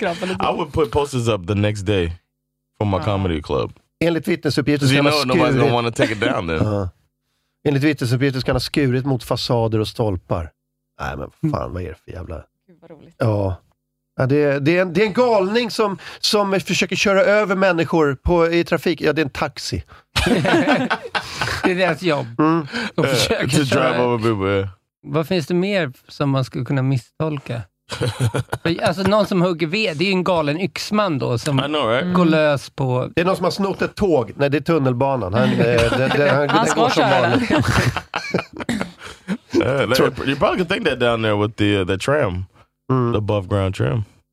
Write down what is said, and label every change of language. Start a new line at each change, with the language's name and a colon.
English: I would put posters up the next day from my comedy club.
Swedish: Enligt vittnesuppgifter ska man skurit...
English: Nobody's gonna wanna take it down then.
Swedish: Enligt vittnesuppgifter ska han ha skurit mot fasader och stolpar. Nej, men fan, vad är det för jävla... Vad roligt. Ja, det är en galning som försöker köra över människor i trafik. Ja, det är en taxi. Det är deras jobb. De försöker
English: to drive over people,
Swedish: Vad finns det mer som man skulle kunna misstolka? Alltså, någon som hugger ved. Det är ju en galen yxman då som går lös på... Det är någon som har snott ett tåg. Nej, det är tunnelbanan. Han ska köra den.
English: You probably can think that down there with the tram, the above ground tram.